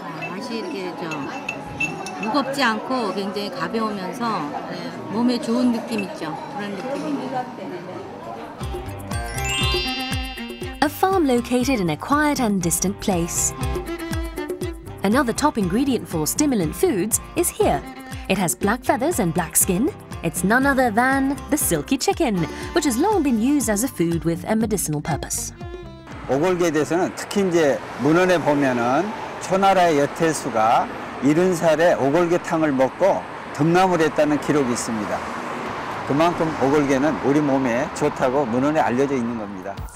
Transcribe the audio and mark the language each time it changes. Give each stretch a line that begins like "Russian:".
Korean: 맛이 이렇게 좀 무겁지 않고 굉장히 가벼우면서 몸에 좋은 느낌 있죠. 그런 느낌입니다.
English: A farm located in a quiet and distant place. Another top ingredient for stimulant foods is here. It has black feathers and black skin. It's none other than the silky chicken, which has long been used as a food with a medicinal purpose.
Korean: 오골계에 대해서는 특히 이제 문헌에 보면은 초나라의 여태수가 70살에 오골계탕을 먹고 등남을 했다는 기록이 있습니다. 그만큼 오골계는 우리 몸에 좋다고 문헌에 알려져 있는 겁니다.